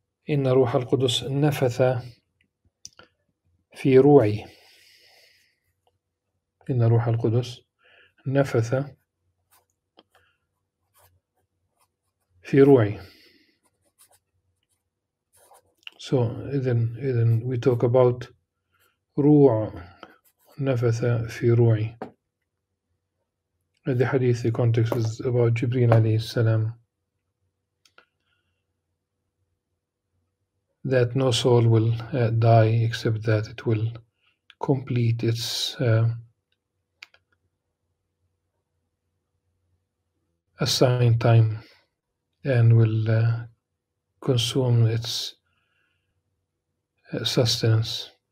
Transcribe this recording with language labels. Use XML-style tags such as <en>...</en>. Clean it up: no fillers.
<ar>إن روح القدس نفث في روعي إن روح القدس نفث في روعي.</ar> <en>So</en> <ar>إذن</ar> <en>we talk about</en> <ar>روع نفث في روعي.</ar> <en>The hadith, the context is about Jibreel عليه السلام that no soul will die except that it will complete its assigned time and will consume its sustenance.</en>